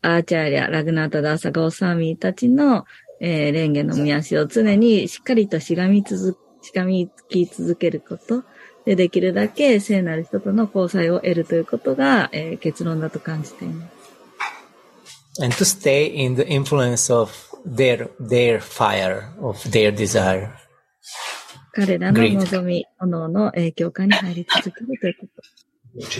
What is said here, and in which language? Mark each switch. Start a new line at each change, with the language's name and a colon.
Japanese: アーチャーリア、ラグナータ・ダーサ・ゴーサーミーたちの、レンゲの御足を常にしっかりとしがみつき続けること、で、できるだけ聖なる人との交際を得るということが、結論だと感じています。
English: And to stay in the influence of their fire, of their desire.
Japanese: 彼らの望み、炎の影響下に入り続けるということ。